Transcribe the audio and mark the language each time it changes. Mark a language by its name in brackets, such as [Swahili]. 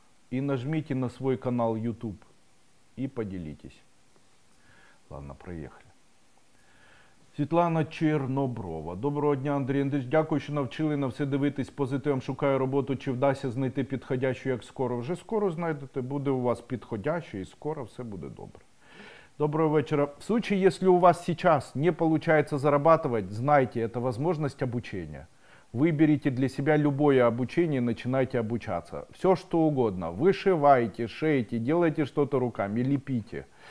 [Russian] И нажмите на свой канал YouTube и поделитесь. Ладно, проехали. Світлана Черноброва. [Ukrainian] Доброго дня, Андрій Андрійович. Дякую, що навчили на все дивитись позитивом. Шукаю роботу, чи вдасться знайти підходящу, як скоро. Вже скоро знайдете, буде у вас підходяще і скоро все буде добре. [Russian] Доброго вечера. В случае, если у вас сейчас не получается зарабатывать, знайте, это возможность обучения. Выберите для себя любое обучение и начинайте обучаться. Все что угодно. Вышивайте, шейте, делайте что-то руками, лепите.